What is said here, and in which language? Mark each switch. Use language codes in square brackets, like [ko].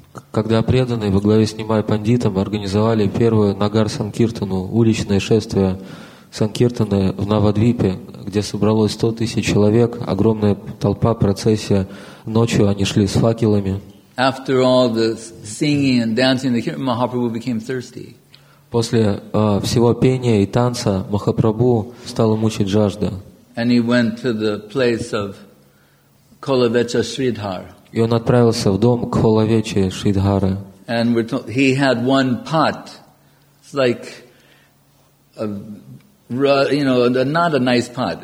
[ru] когда преданные во главе с Нимай Пандитом организовали первую Нагар Санкиртану, уличное шествие Санкиртаны в Навадвипе, где собралось 100 тысяч человек, огромная толпа, процессия, ночью они шли с факелами. [en] After all the singing and dancing, the Kirtan, Mahaprabhu became thirsty. [ru] После всего пения и танца Махапрабху стало мучить жажда. [en] And he went to the place of Kolavecha Sridhar. [ru] И он отправился в дом к Холавече Шридхары. [en] And we're told, he had one pot. It's like not a nice pot.